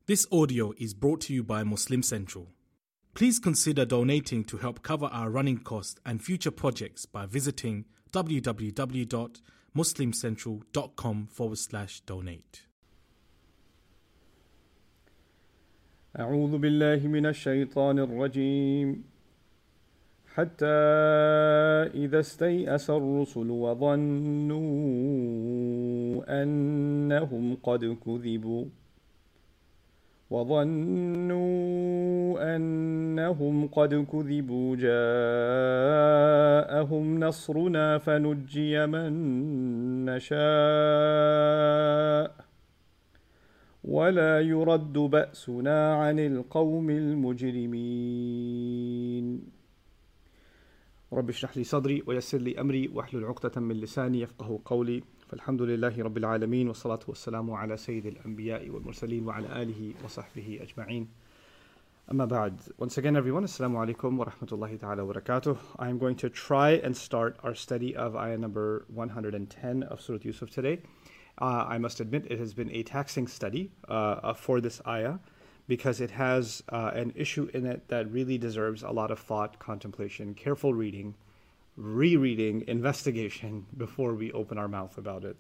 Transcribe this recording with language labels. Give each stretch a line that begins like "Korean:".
English: This audio is brought to you by Muslim Central. Please consider donating to help cover our running costs and future projects by visiting www.muslimcentral.com/donate.
Arabic: أعوذ بالله من الشيطان الرجيم حتى إذا استيأس الرسل وظنوا أنهم قد كذبوا جاءهم نصرنا فنجي من نشاء ولا يرد بأسنا عن القوم المجرمين رب اشرح لي صدري ويسر لي أمري واحلل عقدة من لساني يفقه قولي فالحمد لله رب العالمين والصلاة والسلام على سيد الأنبياء والمرسلين وعلى آله وصحبه أجمعين أما بعد.
English: Once again everyone, assalamu alaikum wa rahmatullahi ta'ala wa barakatuh. I am going to try and start our study of ayah number 110 of Surah Yusuf today. I must admit it has been a taxing study for this ayah because it has an issue in it that really deserves a lot of thought, contemplation, careful reading, rereading, investigation before we open our mouth about it.